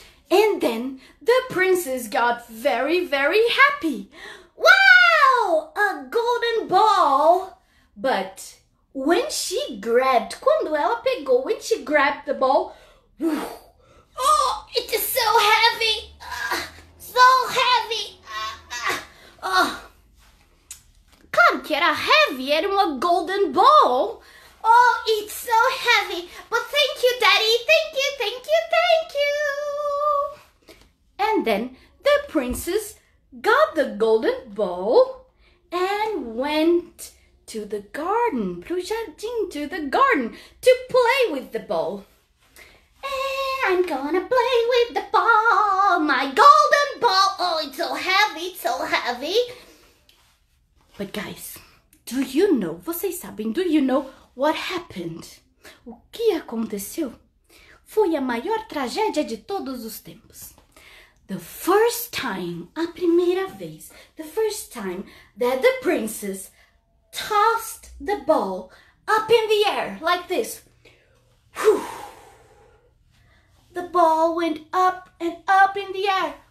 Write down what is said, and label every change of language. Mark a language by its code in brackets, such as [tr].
[en] And then the princess got very, very happy. Wow! A golden ball! But when she grabbed, [pt] quando ela pegou, [en] when she grabbed the ball, oh, it is so heavy! So heavy! [pt] Claro que era [en] heavy, [pt] era uma [en] golden ball! Oh, it's so heavy! But thank you, Daddy! Thank you, thank you, thank you! And then the princess got the golden ball and went to the garden, [pt] pro jardim, [en] to the garden, to play with the ball. I'm gonna play with the ball, my golden ball. Oh, it's so heavy, it's so heavy. But guys, do you know, [pt] vocês sabem, [en] do you know what happened? [pt] O que aconteceu foi a maior tragédia de todos os tempos. [en] The first time, [pt] a primeira vez, [en] the first time that the princess tossed the ball up in the air, like this. Whew. The ball went up and up in the air.